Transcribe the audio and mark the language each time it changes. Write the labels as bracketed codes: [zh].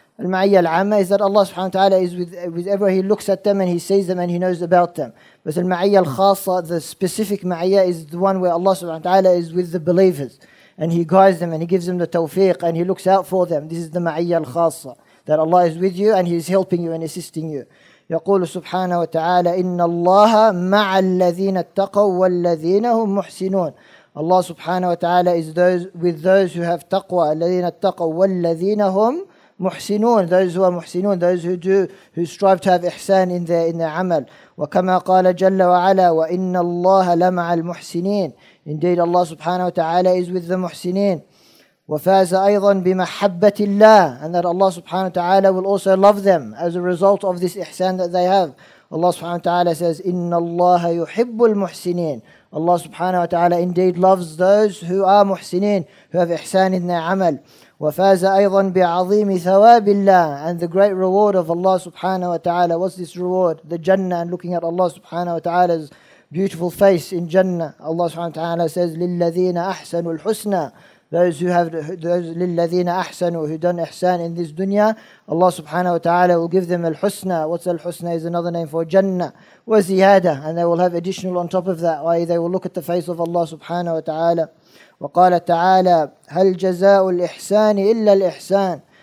[en] Al-ma'iyya al-amma is that Allah subhanahu wa ta'ala is with everyone. He looks at them and he sees them and he knows about them. But al-ma'iyya al-khassa, the specific ma'iyya, is the one where Allah subhanahu wa ta'ala is with the believers. And he guides them and he gives them the tawfiq and he looks out for them. This is the ma'iyya al-khassa, that Allah is with you and he is helping you and assisting you. [ar] يقول سبحانه وتعالى إن الله مع الذين اتقوا والذين هم محسنون. [en] Allah subhanahu wa ta'ala is those with those who have taqwa, [ar] الذين اتقوا والذين هم محسنون, [en] those who are محسنون, those who do, who strive to have ihsan in their عمل. [ar] وكما قال جل وعلا وإن الله لمع المحسنين. [en] Indeed Allah subhanahu wa ta'ala is with the محسنين. [ar] وفاز أيضا بمحبة الله, [en] and that Allah subhanahu wa ta'ala will also love them as a result of this ihsan that they have. Allah subhanahu wa ta'ala says [ar] إن الله يحب المحسنين. [en] Allah subhanahu wa ta'ala indeed loves those who are محسنين, who have ihsan in their عمل. [ar] وفاز أيضا بعظيم ثواب الله, [en] and the great reward of Allah subhanahu wa ta'ala. What's this reward? The Jannah, and looking at Allah subhanahu wa ta'ala's beautiful face in Jannah. Allah subhanahu wa ta'ala says [ar] للذين أحسنوا الحسنى, [en] those who have those [ar] للذين أحسنوا, [en] who done ihsan in this dunya, Allah subhanahu wa ta'ala will give them al-husna. What's al-husna? Is another name for Jannah. وزيادة, and they will have additional on top of that, i.e. they will look at the face of Allah subhanahu wa ta'ala. [ar] وقال تعالى هل جزاء الإحسان إلا الإحسان.